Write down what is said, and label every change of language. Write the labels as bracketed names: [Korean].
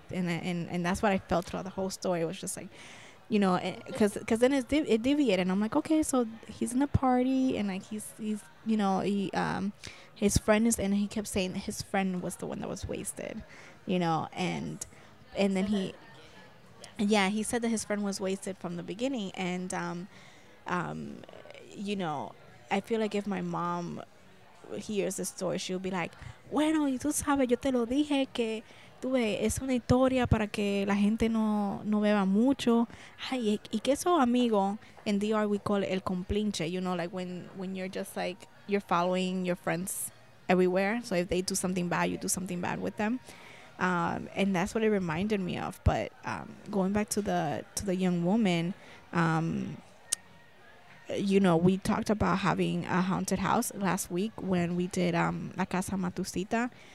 [English] And that's what I felt throughout the whole story. It was just like, you know, because then it deviated, and I'm like, okay, so he's in a party, and like he's you know, his friend is, and he kept saying that his friend was the one that was wasted, you know, and then he said that his friend was wasted from the beginning, and you know, I feel like if my mom hears this story, she'll be like, [Spanish] bueno, y tú sabes, yo te lo dije que. Tuve, es una historia para que la gente no beba mucho. Ay, y que eso, amigo, [English] in DR we call it [Spanish] el complinche. [English] You know, like when you're just like, you're following your friends everywhere. So if they do something bad, you do something bad with them. And that's what it reminded me of. But going back to the young woman, you know, we talked about having a haunted house last week when we did La Casa Matusita.